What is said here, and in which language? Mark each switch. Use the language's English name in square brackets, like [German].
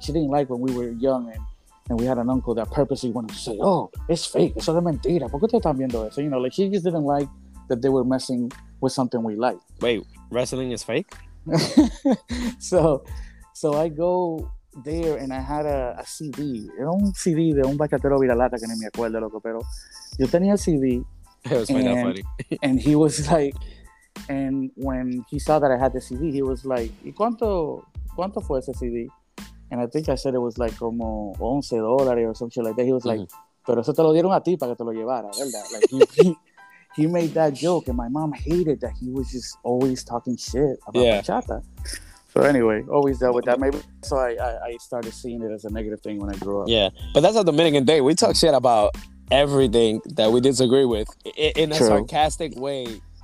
[English] She didn't like when we were young and we had an uncle that purposely wanted to say, oh, it's fake. [Spanish] Eso de mentira. ¿Por qué te están viendo eso? [English] You know, like, she just didn't like that they were messing with something we like. Wait, wrestling is fake? So I go there and I had a CD. [Spanish] Era un CD de un bachatero viralata que ni me acuerdo, loco, pero yo tenía el CD. [English] It was funny. And he was like, and when he saw that I had the CD, he was like, [Spanish] ¿y cuánto fue ese CD? [English] And I think I said it was like como $11 or something like that. He was like, [Spanish] pero eso te lo dieron a ti para que te lo llevara, ¿verdad? [English] Like, he made that joke, and my mom hated that he was just always talking shit about bachata. So anyway, always dealt with that. Maybe so I started seeing it as a negative thing when I grew up. Yeah, but that's a Dominican thing. We talk shit about everything that we disagree with in a sarcastic way.